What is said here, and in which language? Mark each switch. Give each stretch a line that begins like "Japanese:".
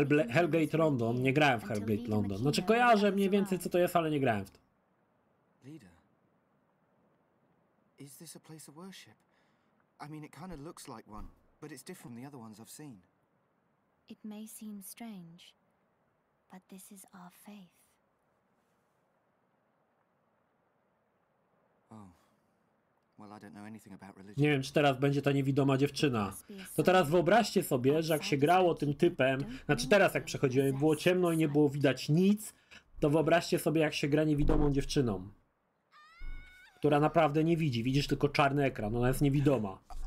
Polish: Hellgate London. Nie grałem w Hellgate London. Znaczy kojarzę mniej więcej, co to jest, ale nie grałem w to.
English: Is this a place of worship? I mean, it kind of looks like one, but it's different from the other ones I've seen. It may seem strange, but this is our faith. Oh. Well, I don't know anything about religion.
Polish: Nie wiem, czy teraz będzie ta niewidoma dziewczyna. To teraz wyobraźcie sobie, że jak się grało tym typem, znaczy teraz jak przechodziłem, było ciemno i nie było widać nic, to wyobraźcie sobie, jak się gra niewidomą dziewczyną. Która naprawdę nie widzi. Widzisz tylko czarny ekran. Ona jest niewidoma.